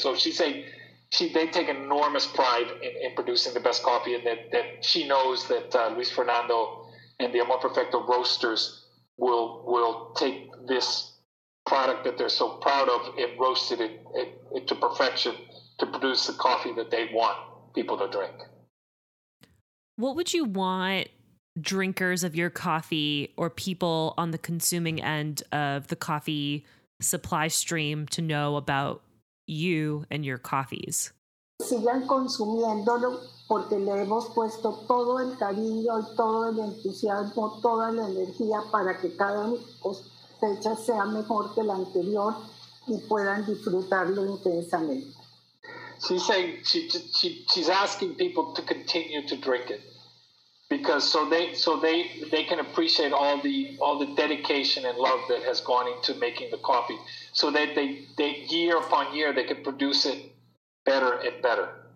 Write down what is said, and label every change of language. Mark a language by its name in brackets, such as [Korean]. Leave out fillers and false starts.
[English] So they take enormous pride in producing the best coffee, and that she knows that Luis Fernando and the Amor Perfecto roasters will take this product that they're so proud of and roast it to perfection to produce the coffee that they want people to drink. What would you want drinkers of your coffee or people on the consuming end of the coffee supply stream to know about you and your coffees? [Spanish] Sigan consumiéndolo porque le hemos puesto todo el cariño y todo el entusiasmo, toda la energía para que cada cosecha sea mejor que la anterior y puedan disfrutarlo intensamente. [English] She's saying she's asking people to continue to drink it because so they can appreciate all the dedication and love that has gone into making the coffee, so that they year upon year they can produce it better and better.